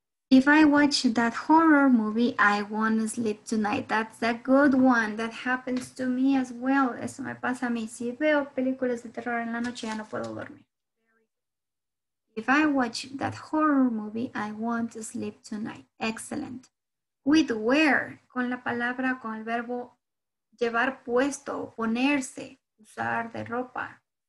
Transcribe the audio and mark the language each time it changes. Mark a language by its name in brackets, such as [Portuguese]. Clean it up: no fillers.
[English] If I watch that horror movie, I won't sleep tonight. That's a good one. That happens to me as well. [Spanish] Eso me pasa a mí. Si veo películas de terror en la noche, ya no puedo dormir. [English] If I watch that horror movie, I won't sleep tonight. Excellent. With where? [Spanish] Con la palabra, con el verbo llevar puesto, ponerse, usar de ropa.